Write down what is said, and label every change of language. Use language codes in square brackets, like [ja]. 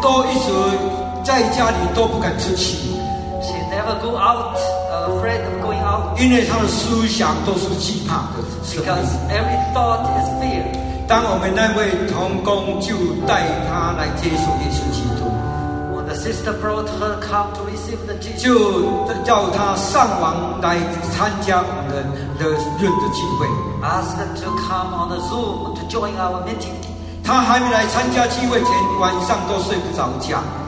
[zh] 都一直在家里都不敢出去， [en] she never go out, afraid of going out. [zh] 因为他的思想都是惧怕的， [en] because every thought is fear. [zh] 当我们那位同工就带他来接受耶稣基督， [en] when the sister brought her come to receive the Jesus, [zh] 就叫他上网来参加我们的论的聚会。 [en] Ask her to come on the Zoom to join our meeting. [zh] 她还没来参加聚会前，晚上都睡不着觉。